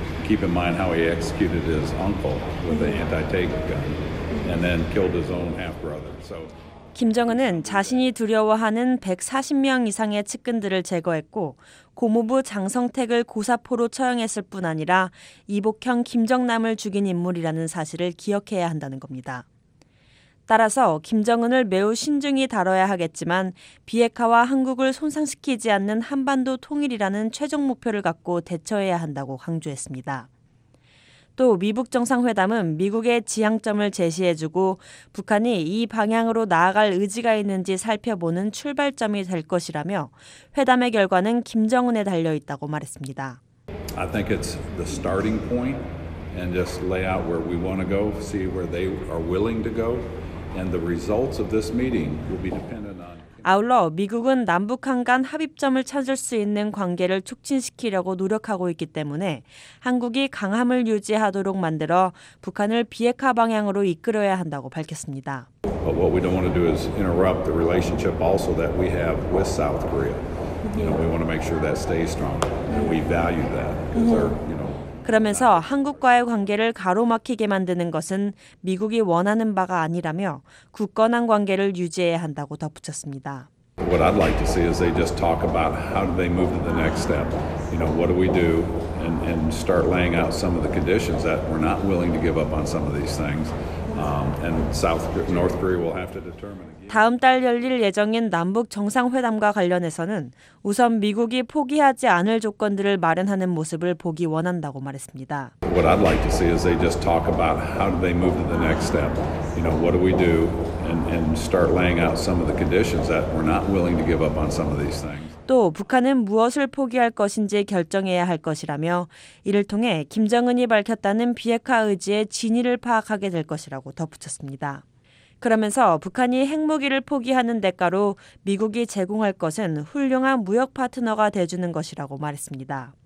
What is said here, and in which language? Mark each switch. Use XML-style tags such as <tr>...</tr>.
<en>Keep in mind how he executed his uncle with an anti-tank gun and then killed his own half-brother. So</en> <ko>김정은은 자신이 두려워하는 140명 이상의 측근들을 제거했고 고모부 장성택을 고사포로 처형했을 뿐 아니라 이복형 김정남을 죽인 인물이라는 사실을 기억해야 한다는 겁니다. 따라서 김정은을 매우 신중히 다뤄야 하겠지만 비핵화와 한국을 손상시키지 않는 한반도 통일이라는 최종 목표를 갖고 대처해야 한다고 강조했습니다. 또 미북 정상회담은 미국의 지향점을 제시해주고 북한이 이 방향으로 나아갈 의지가 있는지 살펴보는 출발점이 될 것이라며 회담의 결과는 김정은에 달려있다고 말했습니다.</ko> <en>I think it's the starting point and just lay out where we want to go, see where they are willing to go, and the results of this meeting will be dependent on.</en> <ko>아울러 미국은 남북한 간 합의점을 찾을 수 있는 관계를 촉진시키려고 노력하고 있기 때문에 한국이 강함을 유지하도록 만들어 북한을 비핵화 방향으로 이끌어야 한다고 밝혔습니다.</ko> <en>But what we don't want to do is interrupt the relationship also that we have with South Korea. You know, we want to make sure that stays strong and we value that.</en> <ko>그러면서 한국과의 관계를 가로막히게 만드는 것은 미국이 원하는 바가 아니라며 굳건한 관계를 유지해야 한다고 덧붙였습니다.</ko> <en>What I'd like to see is they just talk about how do they move to the next step. You know, what do we do and start laying out some of the conditions that we're not willing to give up on some of these things. And North Korea will have to determine.</en> <ko>다음 달 열릴 예정인 남북 정상회담과 관련해서는 우선 미국이 포기하지 않을 조건들을 마련하는 모습을 보기 원한다고 말했습니다.</ko> <en>What I'd like to see is they just talk about how do they move to the next step. You know, what do we do and start laying out some of the conditions that we're not willing to give up on some of these things.</en> <ko>또 북한은 무엇을 포기할 것인지 결정해야 할 것이라며 이를 통해 김정은이 밝혔다는 비핵화 의지의 진위를 파악하게 될 것이라고 덧붙였습니다. 그러면서 북한이 핵무기를 포기하는 대가로 미국이 제공할 것은 훌륭한 무역 파트너가 돼주는 것이라고 말했습니다.</ko>